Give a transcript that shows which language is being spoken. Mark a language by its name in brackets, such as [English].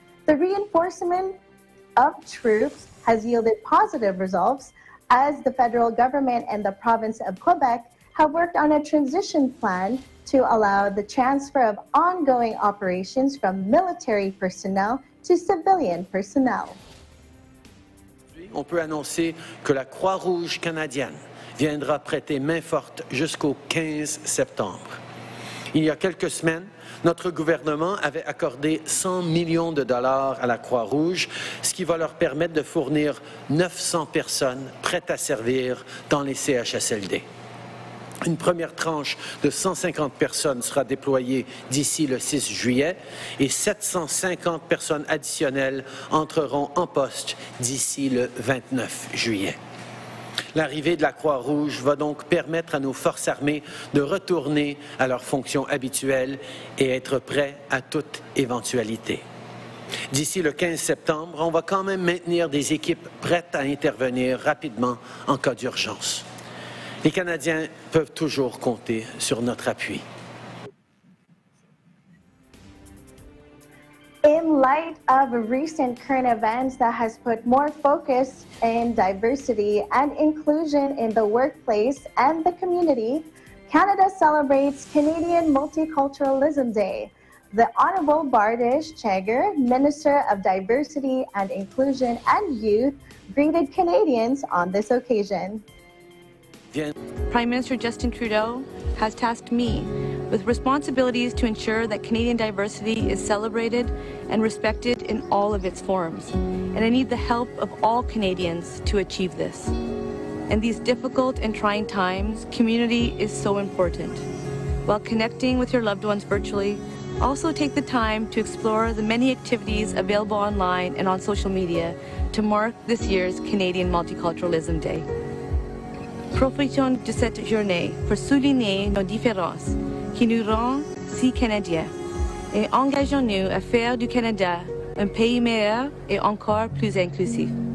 [English] The reinforcement of troops has yielded positive results as the federal government and the province of Quebec have worked on a transition plan to allow the transfer of ongoing operations from military personnel to civilian personnel. [French] On peut annoncer que la Croix-Rouge canadienne viendra prêter main forte jusqu'au 15 septembre. Il y a quelques semaines, notre gouvernement avait accordé 100 millions de dollars à la Croix-Rouge, ce qui va leur permettre de fournir 900 personnes prêtes à servir dans les CHSLD. Une première tranche de 150 personnes sera déployée d'ici le 6 juillet et 750 personnes additionnelles entreront en poste d'ici le 29 juillet. L'arrivée de la Croix-Rouge va donc permettre à nos forces armées de retourner à leurs fonctions habituelles et être prêts à toute éventualité. D'ici le 15 septembre, on va quand même maintenir des équipes prêtes à intervenir rapidement en cas d'urgence. Les Canadiens peuvent toujours compter sur notre appui. [English] In light of recent current events that has put more focus in diversity and inclusion in the workplace and the community, Canada celebrates Canadian Multiculturalism Day. The Honorable Bardish Chagger, Minister of Diversity and Inclusion and Youth, greeted Canadians on this occasion. Prime Minister Justin Trudeau has tasked me with responsibilities to ensure that Canadian diversity is celebrated and respected in all of its forms. And I need the help of all Canadians to achieve this. In these difficult and trying times, community is so important. While connecting with your loved ones virtually, also take the time to explore the many activities available online and on social media to mark this year's Canadian Multiculturalism Day. [French] Profitons de cette journée pour souligner nos différences qui nous rend si canadiens et engageons-nous à faire du Canada un pays meilleur et encore plus inclusif.